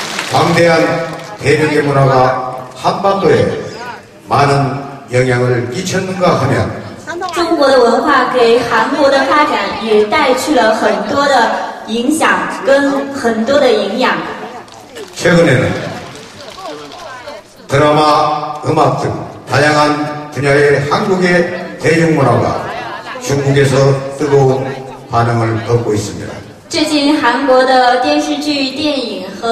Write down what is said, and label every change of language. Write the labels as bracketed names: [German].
[Korean] 광대한대륙의문화가한반도에많은영향을끼쳤는가하면 [Chinese] 中国的文化给韩国的发展也带去了很多的影响跟很多的营养。 [Korean] 최근에는드라마음악등다양한분야의한국의대중문화가중국에서뜨거운반응을얻고있습니다 [Chinese] 最近韩国的电视剧、电影